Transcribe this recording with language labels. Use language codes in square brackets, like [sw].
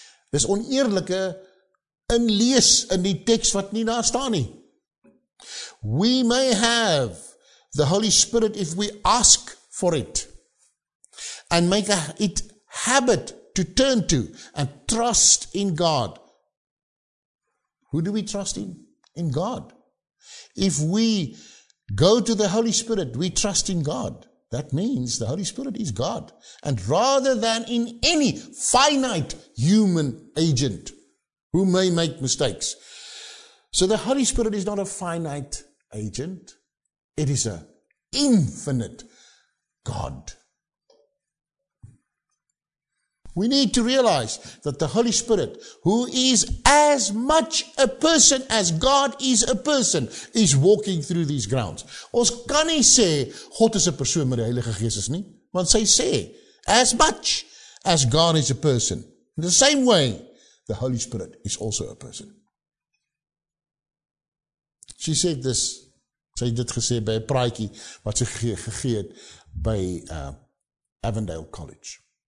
[af] Dit is oneerlike inlees in die tekst wat nie daar staan nie. [en] We may have the Holy Spirit if we ask for it, and make it habit to turn to and trust in God. Who do we trust in? In God. If we go to the Holy Spirit, we trust in God. That means the Holy Spirit is God. And rather than in any finite human agent who may make mistakes. So the Holy Spirit is not a finite agent. It is an infinite God. We need to realize that the Holy Spirit, who is as much a person as God is a person, is walking through these grounds. [af] Ons kan nie sê, God is a persoon, maar die Heilige Gees is nie. Want sy sê, [en] as much as God is a person. In the same way, the Holy Spirit is also a person. She said this, [af] sy het dit gesê by 'n praatjie wat sy gegee het by Avondale College.